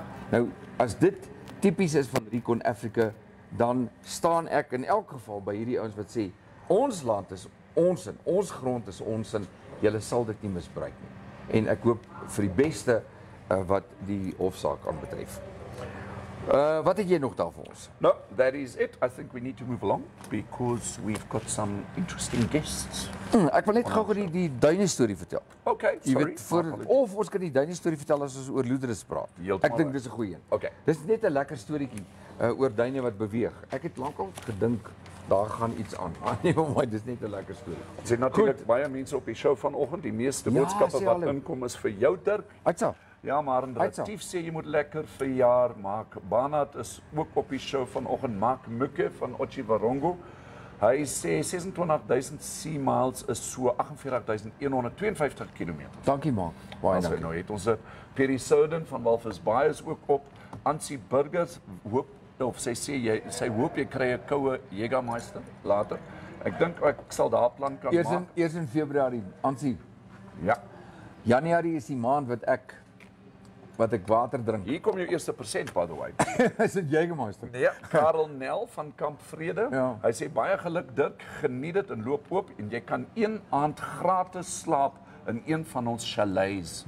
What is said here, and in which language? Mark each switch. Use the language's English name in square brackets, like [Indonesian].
[Afrikaans] Nou, as dit typies is van Recon Africa, dan staan ek in elk geval by hierdie ouens wat sê, ons land is ons en ons grond is ons en julle sal dit nie misbruik nie. En ek hoop vir die beste wat die hofsaak aan betref. Wat het jy nog daar vir ons? [English] No, that is it. I think we need to move along because we've got some interesting guests. [Afrikaans] Ek wil net gou vir die duine storie vertel. [English] Okay, sorry. [Afrikaans] Jy weet, of ons kan die duine storie vertel as ons oor loederes praat. Heeltemal. Ek dink dis 'n goeie een. Okay. Dis net 'n lekker storietjie oor duine wat beweeg. Ek het lankal gedink daar gaan iets aan. Nee, maar dis net 'n lekker storie. Dit is natuurlik baie mense op die show vanoggend, die meeste boodskappe ja, wat hulle inkom is vir jou Dirk. Hatsa. Ja, maar in relatief sê jy moet lekker verjaar maak. Barnard is ook op die show vanoggend. Mark Mukke van Otjiwarongo. Hy sê 26,000 sea miles is so 48,152 kilometers. Dankie, Mark. Baie dankie. Nou het ons dit. Perry Soudan van Walvis Bay is ook op. Ansie Burgers hoop, of sy sê, sy hoop jy kry 'n koue Jägermeister later. Ek dink ek sal daar plan kan eers in, maak. Eers in Februarie, Ansie. Ja. Januarie is die maand wat ek... wat ek water drink. Hier kom jou eerste persent, [English] by the way. [Afrikaans] Is dit Jägermeister? Nee, Karel Nel van Kamp Vrede. Ja. Hy sê, baie geluk Dirk, geniet het en loop oop. En jy kan een aand gratis slaap in een van ons chalets.